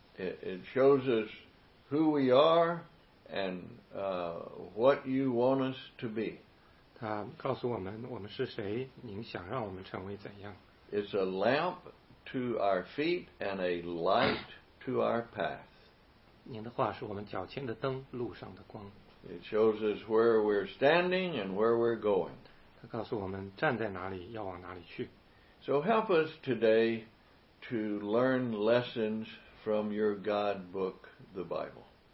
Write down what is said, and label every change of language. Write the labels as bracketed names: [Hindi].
[English] It shows us who we are and what you want us to be. [Chinese] 它告诉我们我们是谁，您想让我们成为怎样。 [English] It's a lamp to our feet and a light to our path. [Chinese] 您的话是我们脚前的灯，路上的光。 [English] It shows us where we're standing and where we're going. [Chinese] 它告诉我们站在哪里，要往哪里去。 [English] So help us today to learn lessons from your God book, the Bible.